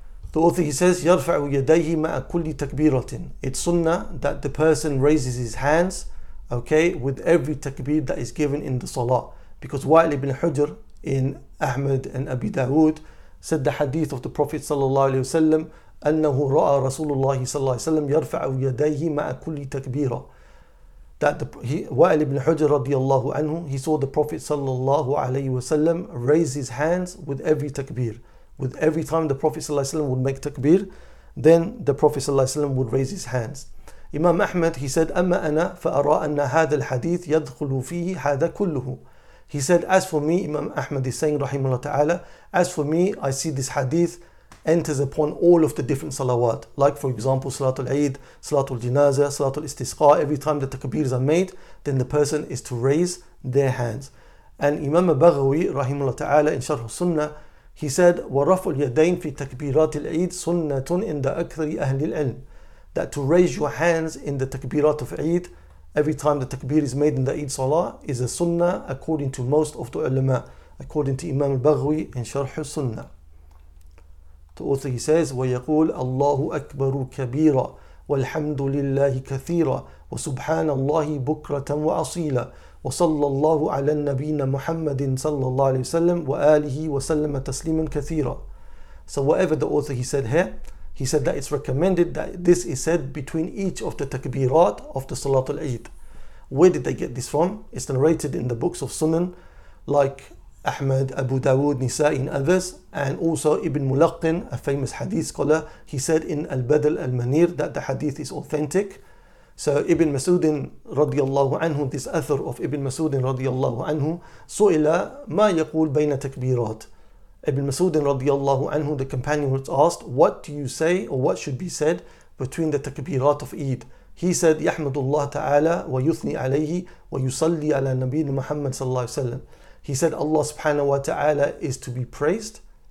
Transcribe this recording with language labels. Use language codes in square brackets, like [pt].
[en] The author, he says, [ar] يَرْفَعُ يَدَيْهِ مَعَ كُلِّ تَكْبِيرَةٍ. [en] It's sunnah that the person raises his hands, okay, with every takbir that is given in the salah. Because Wa'il ibn Hujr in Ahmad and Abi Dawood said the hadith of the Prophet sallallahu alayhi wasallam, [ar] أنه رأى رسول الله صلى الله عليه وسلم يرفع يديه مع كل تكبيرة. [en] That Wa'il ibn Hujr رضي الله عنه, he saw the Prophet صلى الله عليه وسلم raise his hands with every takbir. With every time the Prophet صلى الله عليه وسلم would make takbir, then the Prophet صلى الله عليه وسلم would raise his hands. Imam Ahmad, he said, [ar] أما أنا فأرى أن هذا الحديث يدخل فيه هذا كله. [en] He said, as for me, Imam Ahmad is saying, رحمه الله تعالى, as for me, I see this hadith enters upon all of the different salawat. Like for example, Salatul Eid, Salatul Jinazah, Salatul Istisqa. Every time the takbirs are made, then the person is to raise their hands. And Imam Baghawi, rahimahullah ta'ala, in Sharh Sunnah, he said, [ar] وَرَفُ الْيَدَيْنِ فِي تَكْبِيرَاتِ الْعِيدِ سُنَّةٌ عِنْدَ أَكْثَرِ أَهْلِ الْعِلْمِ. [en] That to raise your hands in the takbirat of Eid, every time the takbir is made in the Eid Salah, is a sunnah according to most of the ulama, according to Imam Baghawi in Sharh Sunnah. The author, he says, [ar] ويقول الله أكبر كبيرا والحمد لله كثيرا وسبحان الله بكرة وأصيلا وصلى الله على النبي محمد صلى الله عليه وسلم وآله وسلم تسليما كثيرا. [en] So whatever the author, he said here, he said that it's recommended that this is said between each of the takbirat of the Salatul Eid. Where did they get this from? It's narrated in the books of Sunan like Ahmad, Abu Dawood, Nisa'i and others, and also Ibn Mulaqqin, a famous hadith scholar, he said in Al-Badal Al-Manir that the hadith is authentic. So Ibn Mas'udin radiyallahu anhu, this author of Ibn Mas'udin radiyallahu anhu, [ar] su'ila ma yaqul bayna takbirat. [en] Ibn Mas'udin radiyallahu anhu, the companion was asked, what do you say or what should be said between the takbirat of Eid? He said, [ar] يَحْمَدُ اللَّهَ تَعَالَى وَيُثْنِي عَلَيْهِ وَيُصَلِّي عَلَى النَّبِيِّ مُحَمَّدٍ صَلَّى اللَّهُ عَلَيْهِ وَسَلَّمَ. [en] He said, Allah subhanahu wa ta'ala is to be praised,